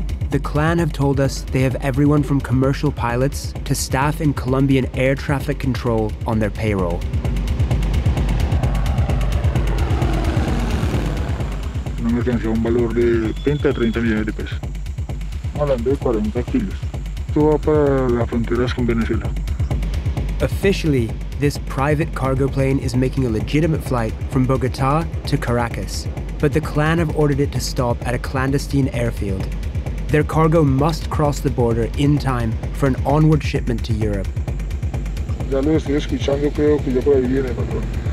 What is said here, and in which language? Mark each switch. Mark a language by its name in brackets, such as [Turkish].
[English] The clan have told us they have everyone from commercial pilots to staff in Colombian air traffic control on their payroll. [Spanish] Una mercancía a un valor de 20 a 30 millones de pesos. Hablando de 40 kilos. Esto va para las fronteras con Venezuela. [English] Officially, this private cargo plane is making a legitimate flight from Bogota to Caracas, but the clan have ordered it to stop at a clandestine airfield. Their cargo must cross the border in time for an onward shipment to Europe. [Spanish] Ya lo estoy escuchando, creo que ya por ahí viene, patrón.